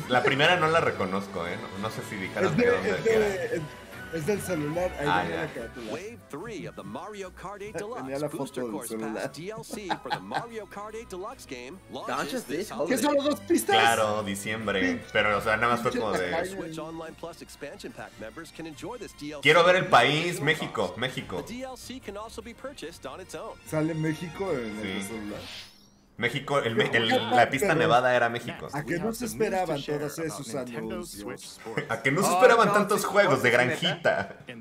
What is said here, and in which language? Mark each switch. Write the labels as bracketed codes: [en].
[es] La primera no la reconozco, ¿eh? No sé si dijeron de dónde era. Es del celular. Ahí viene la carátula. [en] Wave 3 of the Mario Kart 8 Deluxe. [es] Tenía la foto del celular. [en] DLC for the Mario Kart 8 Deluxe game launches this holiday. [es] ¿Qué son los dos pistas? Claro, diciembre. Pero, o sea, nada más fue como de... [en] Switch Online Plus expansion pack members can enjoy this DLC. [es] Quiero ver el país. México, México. [en] The DLC can also be purchased on its own. [es] ¿Sale México en el celular? México, la pista nevada era México. ¿A que no se esperaban todas esos anuncios? ¿A que no se esperaban tantos juegos de granjita?